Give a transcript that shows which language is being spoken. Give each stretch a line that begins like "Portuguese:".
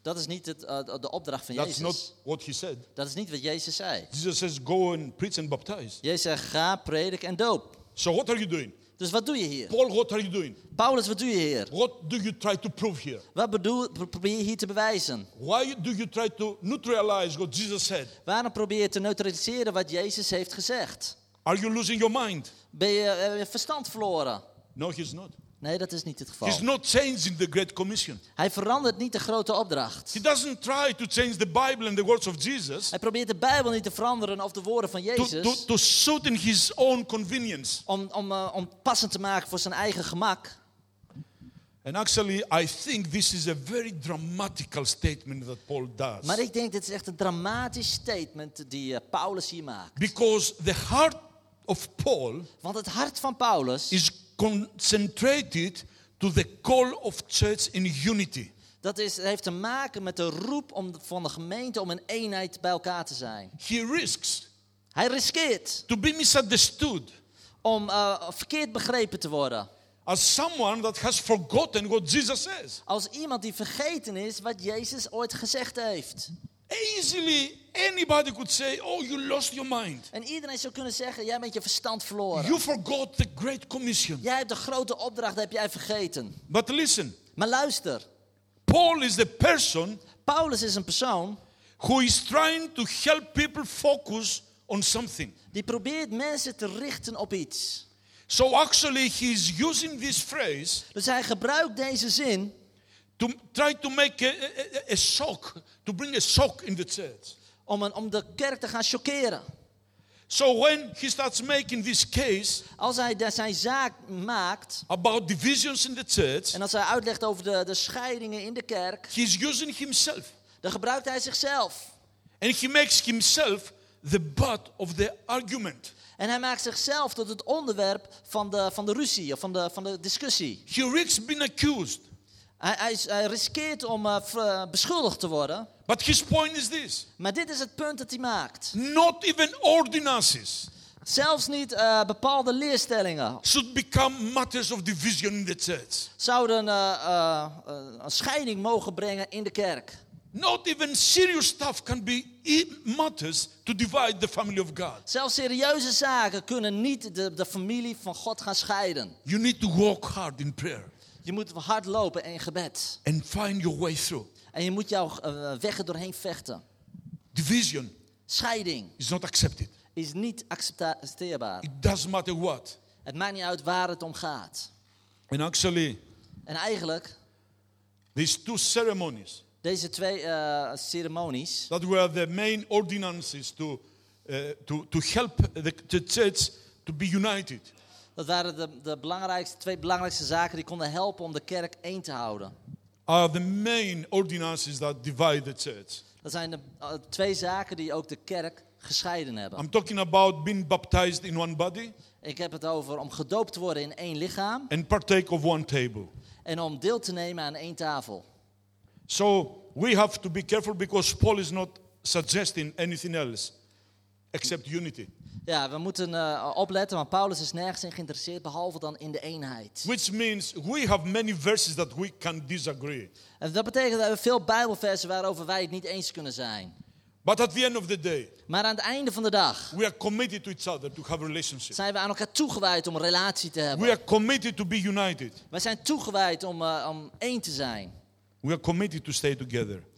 Dutch: Dat is niet de opdracht van
English: That's
Dutch: Jezus.
English: Not what he said.
Dutch: Dat is niet wat Jezus zei.
English: Jesus says, go and preach and baptize.
Dutch: Jezus zegt, ga, predik en doop.
English: So what are you doing?
Dutch: Dus wat doe je hier?
English: Paul, what are you doing?
Dutch: Paulus, wat doe je hier?
English: What do you try to prove here?
Dutch: Wat probeer je hier te bewijzen?
English: Why do you try to neutralize what Jesus said?
Dutch: Waarom probeer je te neutraliseren wat Jezus heeft gezegd?
English: Are you losing your mind?
Dutch: Ben je verstand verloren?
English: No, he's not.
Dutch: Nee, dat is niet het geval.
English: He's not changing the great commission.
Dutch: Hij verandert niet de grote opdracht.
English: He doesn't try to change the Bible and the words of Jesus.
Dutch: Hij probeert de Bijbel niet te veranderen of de woorden van Jezus.
English: To suit in his own convenience.
Dutch: Om passend te maken voor zijn eigen gemak.
English: And actually, I think this is a very dramatical statement that Paul does.
Dutch: Maar ik denk dit is echt een dramatisch statement die Paulus hier maakt.
English: Because the heart of Paul.
Dutch: Want het hart van Paulus
English: is concentrated to the call of church in unity.
Dutch: Dat is, heeft te maken met de roep om, van de gemeente om in eenheid bij elkaar te zijn.
English: He risks.
Dutch: Hij riskeert.
English: To be misunderstood.
Dutch: Om verkeerd begrepen te worden.
English: As someone that has forgotten what Jesus says.
Dutch: Als iemand die vergeten is wat Jezus ooit gezegd heeft.
English: Easily anybody could say, oh, you lost your mind.
Dutch: En iedereen zou kunnen zeggen, jij bent je verstand verloren.
English: You forgot the great commission.
Dutch: Jij hebt de grote opdracht, die heb jij vergeten.
English: But listen.
Dutch: Maar luister.
English: Paul is the person.
Dutch: Paulus is een persoon.
English: Who is trying to help people focus on something.
Dutch: Die probeert mensen te richten op iets.
English: So actually he is using this phrase.
Dutch: Dus hij gebruikt deze zin.
English: To try to make a shock, to bring a shock in the church.
Dutch: Om de kerk te gaan shockeren.
English: So when he starts making this case,
Dutch: als hij zijn zaak maakt
English: about divisions in the church,
Dutch: en als hij uitlegt over de scheidingen in de kerk,
English: he's using himself.
Dutch: Dan gebruikt hij zichzelf.
English: And he makes himself the butt of the argument.
Dutch: En hij maakt zichzelf tot het onderwerp van de ruzie of van de discussie.
English: He risks being accused.
Dutch: Hij riskeert om beschuldigd te worden.
English: But his point is this.
Dutch: Maar dit is het punt dat hij maakt.
English: Not even ordinances.
Dutch: Zelfs niet bepaalde leerstellingen.
English: Should become matters of division in the church.
Dutch: Zouden een scheiding mogen brengen in de kerk.
English: Not even serious stuff can be matters to divide the family of God.
Dutch: Zelfs serieuze zaken kunnen niet de familie van God gaan scheiden.
English: You need to walk hard in prayer.
Dutch: Je moet hard lopen in gebed.
English: And find your way through.
Dutch: En je moet jouw weg er doorheen vechten.
English: Division.
Dutch: Scheiding.
English: Is not accepted.
Dutch: Is niet accepteerbaar.
English: It doesn't matter what.
Dutch: Het maakt niet uit waar het om gaat.
English: And actually.
Dutch: En eigenlijk.
English: These two ceremonies.
Dutch: Deze twee ceremonies.
English: That were the main ordinances to help the church to be united.
Dutch: Dat waren de twee belangrijkste zaken die konden helpen om de kerk één te houden.
English: Are the main ordinances that divide the church.
Dutch: Dat zijn de twee zaken die ook de kerk gescheiden hebben.
English: I'm talking about being baptized in one body.
Dutch: Ik heb het over om gedoopt te worden in één lichaam.
English: And partake of one table.
Dutch: En om deel te nemen aan één tafel.
English: So we have to be careful because Paul is not suggesting anything else except unity.
Dutch: Ja, we moeten opletten, maar Paulus is nergens in geïnteresseerd behalve dan in de eenheid.
English: Which means we have many verses that we can disagree.
Dutch: En dat betekent dat we veel Bijbelversen waarover wij het niet eens kunnen zijn.
English: But at the end of the day.
Dutch: Maar aan het einde van de dag.
English: We are committed to each other to have a relationship.
Dutch: Zijn we aan elkaar toegewijd om een relatie te hebben.
English: We are committed to be united.
Dutch: Wij zijn toegewijd om één te zijn.
English: We are committed to stay together.